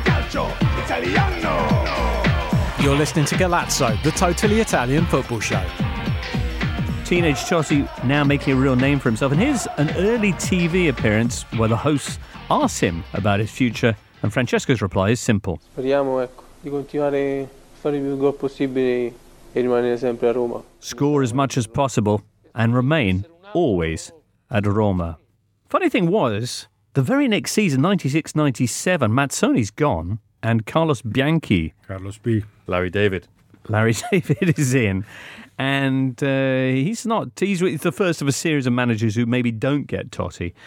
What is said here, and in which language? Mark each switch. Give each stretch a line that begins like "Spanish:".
Italian: calcio italiano.
English: You're listening to Galazzo, the totally Italian football show. Teenage Totti now making a real name for himself. And here's an early TV appearance where the host asks him about his future. And Francesco's reply is simple.
Italian: Speriamo, ecco. Di continuare a fare il più gol possibile e rimanere sempre a Roma.
English: Score as much as possible and remain always at Roma. Funny thing was, the very next season, 96-97, Mazzoni's gone and Carlos Bianchi. Carlos B. Larry David. Larry David is in. And he's the first of a series of managers who maybe don't get Totti.